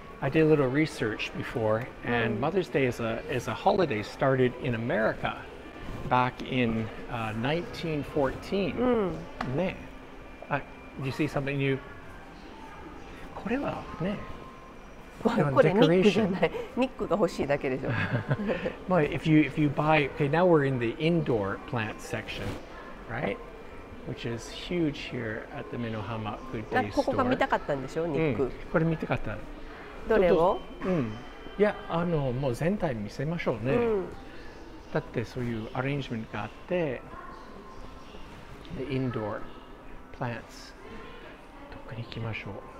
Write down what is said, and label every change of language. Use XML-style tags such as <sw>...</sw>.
<en>I did a little research before, and Mother's Day is a holiday started in America back in 1914. Ne. Do you see something new?</en> <ja>これはね。これニックじゃない。ニックが欲しいだけでしょ。</ja> <en>Well, if you buy, okay, now we're in the indoor plant section, right? Which is huge here at the Meinohama GooDay store.</en> <ja>ここが見たかったんでしょ、ニック。これ見たかった。どれを？いや、もう全体見せましょうね。だってそういうアレンジメントがあって、で、インドアプランツ、どこに行きましょう。</ja>